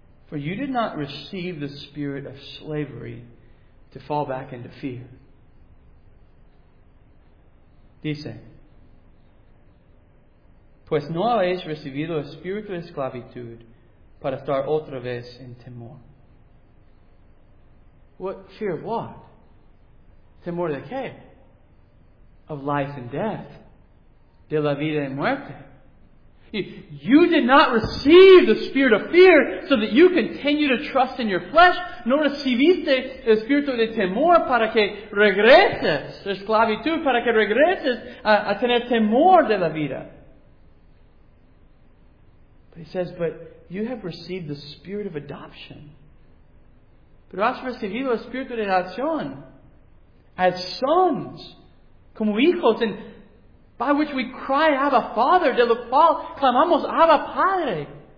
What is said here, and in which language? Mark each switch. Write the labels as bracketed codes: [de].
[en] For you did not receive the spirit of slavery to fall back into fear. [es] Dice, pues no habéis recibido el espíritu de esclavitud para estar otra vez en temor. [en] What? Fear of what? [es] Temor de qué? [en] Of life and death. [es] De la vida y muerte. [en] You did not receive the spirit of fear so that you continue to trust in your flesh. [es] No recibiste el espíritu de temor para que regreses. De esclavitud para que regreses a tener temor de la vida. [en] But he says, but you have received the spirit of adoption. [es] Pero has recibido el espíritu de adopción. [en] As sons, [es] como hijos, [en] and by which we cry, Abba Father, [es] de lo cual clamamos Abba Padre.